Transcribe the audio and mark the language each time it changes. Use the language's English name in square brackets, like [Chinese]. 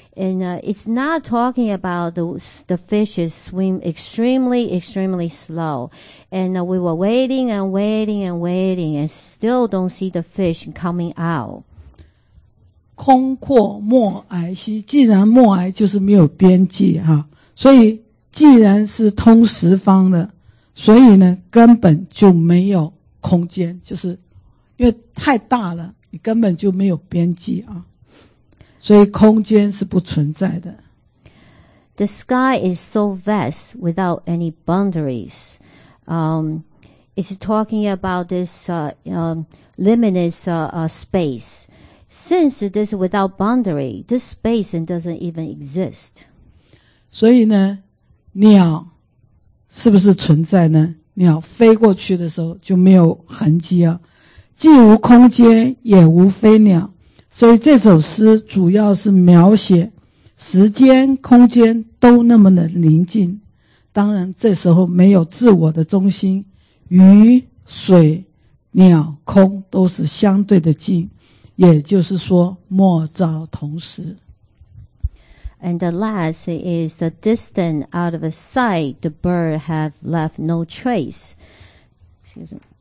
[English] And, it's not talking about the fishes swim extremely, extremely slow. And, we were waiting and waiting and waiting and still don't see the fish coming out. [Chinese] 空阔莫矮兮，既然莫矮就是没有边际啊。所以既然是通十方的，所以呢根本就没有空间，就是因为太大了。根本就没有边际啊，所以空间是不存在的。 [English] The sky is so vast without any boundaries. It's talking about this limitless space. Since it is without boundary, this space doesn't even exist. [Chinese] 所以呢，鸟是不是存在呢？鸟飞过去的时候就没有痕迹啊。既无空间也无飞鸟，所以这首诗主要是描写时间空间都那么的宁静，当然这时候没有自我的中心，鱼水鸟空都是相对的静，也就是说莫造同时。 [English] And the last is the distant out of sight, the bird have left no trace. Excuse me.